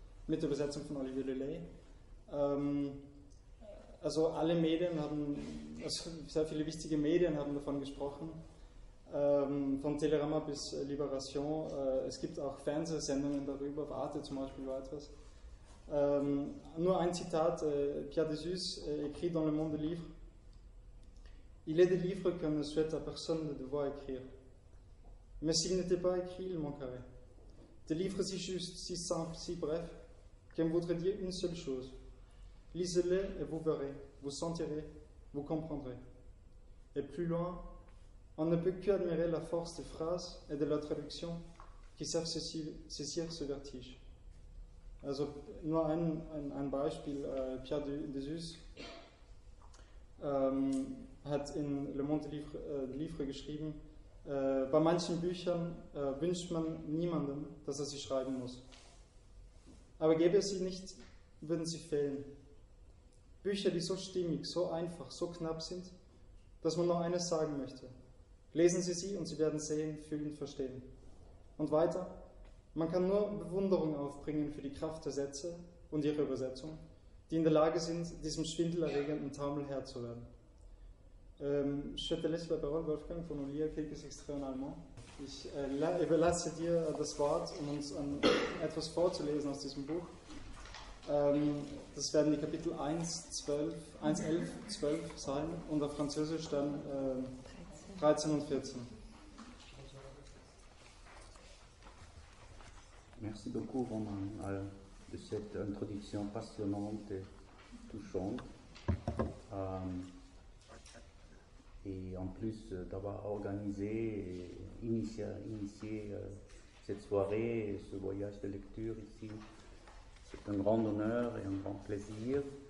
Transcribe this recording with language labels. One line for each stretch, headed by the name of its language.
German: Mit der Übersetzung von Olivier Lelay. Also alle Medien haben, also sehr viele wichtige Medien haben davon gesprochen, von Télérama bis Libération. Es gibt auch Fernsehsendungen darüber, Arte zum Beispiel war etwas. Nur ein Zitat,
French: Pierre Desus écrit dans Le Monde des Livres: Il est des livres qu'on ne souhaite à personne de devoir écrire. Mais s'il n'était pas écrit, il manquerait. Des livres si justes, si simples, si brefs, qu'on voudrait dire une seule chose. Lisez-les et vous verrez, vous sentirez, vous comprendrez. Et plus loin, on ne peut qu'admirer la force des phrases et de la traduction qui savent saisir ce vertige.
German: Also, nur ein Beispiel. Pierre Desus hat in Le Monde des Livres geschrieben, bei manchen Büchern wünscht man niemandem, dass er sie schreiben muss. Aber gäbe es sie nicht, würden sie fehlen. Bücher, die so stimmig, so einfach, so knapp sind, dass man nur eines sagen möchte. Lesen Sie sie und Sie werden sehen, fühlen, verstehen. Und weiter, man kann nur Bewunderung aufbringen für die Kraft der Sätze und ihre Übersetzung, die in der Lage sind, diesem schwindelerregenden Taumel Herr zu werden.
French: Je te laisse la parole, Wolfgang, pour nous lire quelques extraits en allemand.
German: Ich überlasse dir das Wort, um uns etwas vorzulesen aus diesem Buch. Das werden die Kapitel 1, 11, 12 sein und auf Französisch dann 13 und 14.
French: Merci beaucoup, Romain, de cette introduction passionnante et touchante. Et en plus d'avoir organisé et initié cette soirée et ce voyage de lecture ici, c'est un grand honneur et un grand plaisir.